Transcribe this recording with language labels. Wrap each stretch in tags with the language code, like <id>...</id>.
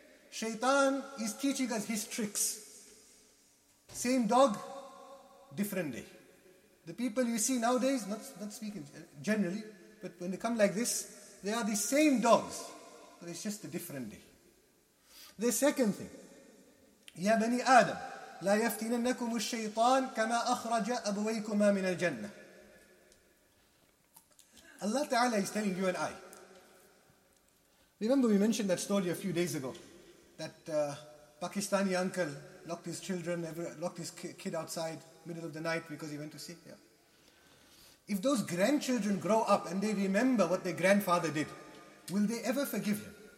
<en>Shaitan is teaching us his tricks. Same dog, different day. The people you see nowadays, not speaking generally, but when they come like this, they are the same dogs, but it's just a different day. The second thing,</en> <ar>يَا بَنِي آدَمْ لَا يَفْتِنَنَّكُمُ الشَّيْطَانِ كَمَا أَخْرَجَ أَبْوَيْكُمَا مِنَ الْجَنَّةِ.</ar> <en>Allah Ta'ala is telling you and I. Remember we mentioned that story a few days ago, that Pakistani uncle locked his children, locked his kid outside middle of the night because he went to see. Yeah. If those grandchildren grow up and they remember what their grandfather did, will they ever forgive him?</en>